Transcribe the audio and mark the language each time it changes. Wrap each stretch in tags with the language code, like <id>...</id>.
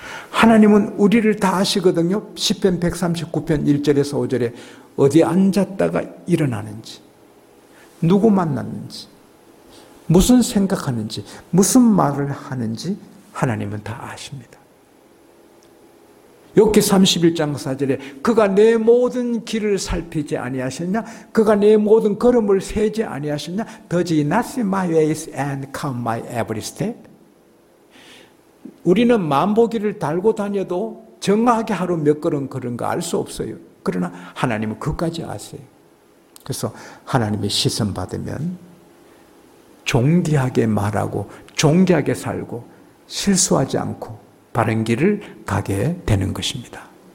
<ko>하나님은 우리를 다 아시거든요. 시편 139편 1절에서 5절에 어디 앉았다가 일어나는지, 누구 만났는지, 무슨 생각하는지, 무슨 말을 하는지 하나님은 다 아십니다. 욥기 31장 4절에 그가 내 모든 길을 살피지 아니하셨냐? 그가 내 모든 걸음을 세지 아니하셨냐?</ko> <en>Does he not see my ways and count my every step?</en> <ko>우리는 만보기를 달고 다녀도 정확하게 하루 몇 걸음 걸은 거 알 수 없어요. 그러나 하나님은 그까지 아세요. 그래서 하나님의 시선 받으면 존귀하게 말하고 존귀하게 살고 실수하지 않고 바른 길을 가게 되는 것입니다.</ko>